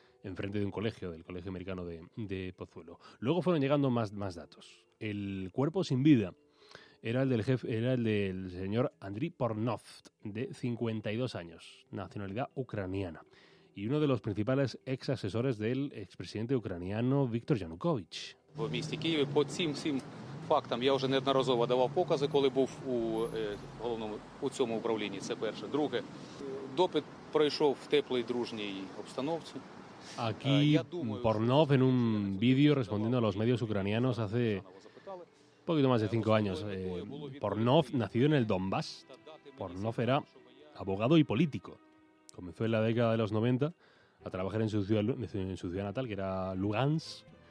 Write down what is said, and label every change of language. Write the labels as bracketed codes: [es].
[es] Enfrente de un colegio, del Colegio Americano de Pozuelo. Luego fueron llegando más datos. El cuerpo sin vida era el del señor Andriy Pornoft, de 52 años, nacionalidad ucraniana, y uno de los principales ex asesores del expresidente ucraniano Viktor Yanukovych. [uk] В місті Києві по цим фактам я вже неодноразово давав покази, коли був у головному у цьому управлінні. Це перше. Друге, допит пройшов в теплій дружній обстановці. [es] Aquí Pornov, en un vídeo respondiendo a los medios ucranianos hace un poquito más de 5 años. Pornov, nacido en el Donbass, Pornov era abogado y político. Comenzó en la década de los 90 a trabajar en su ciudad natal, que era Lugansk.